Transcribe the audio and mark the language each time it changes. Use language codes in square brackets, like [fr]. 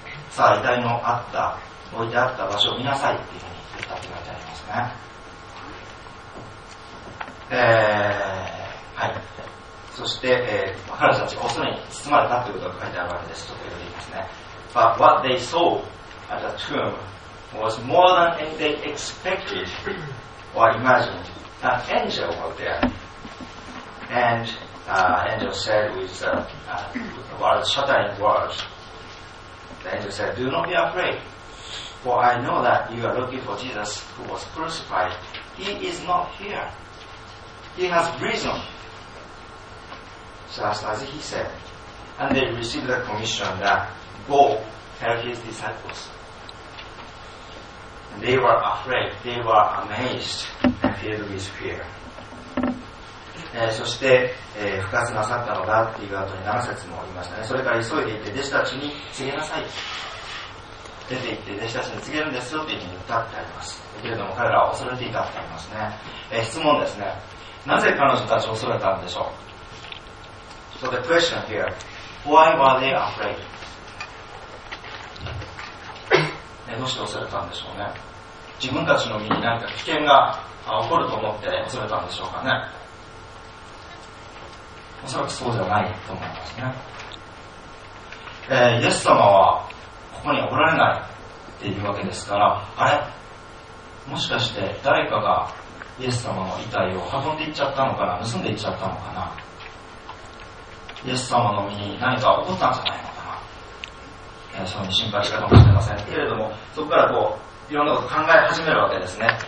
[ja] さあ遺体のあった置いてあった場所を見なさいっていうふうに言ったって書いてありますね。はい。そして、彼女たち恐れに包まれたということが書いてあるわけです。ちょっと読んでいますね。 [en] But what they saw at the tomb was more than they expected or imagined. An angel was there. AndAngel said with a shattering word, the angel said, do not be afraid, for I know that you are looking for Jesus who was crucified. He is not here. He has risen, just as he said. And they received the commission that go tell his disciples. And they were afraid, they were amazed and filled with fear. [ja] そして、復活なさったのだという後に7節も言いましたね。それから急いで行って弟子たちに告げなさい。出て行って弟子たちに告げるんですよというふうに言ったってあります。けれども彼らは恐れていたってありますね。質問ですね。なぜ彼女たちを恐れたんでしょう。 [en] So the question here, why were they afraid? [ja] どうして恐れたんでしょうね。自分たちの身に何か危険が起こると思って恐れたんでしょうかね。おそらくそうじゃないと思いますね。イエス様はここにおられないっていうわけですから、あれ、もしかして誰かがイエス様の遺体を運んでいっちゃったのかな、盗んでいっちゃったのかな、イエス様の身に何か起こったんじゃないのかな、そういうふうに心配したかもしれませんけれども、そこからこういろんなことを考え始めるわけですね。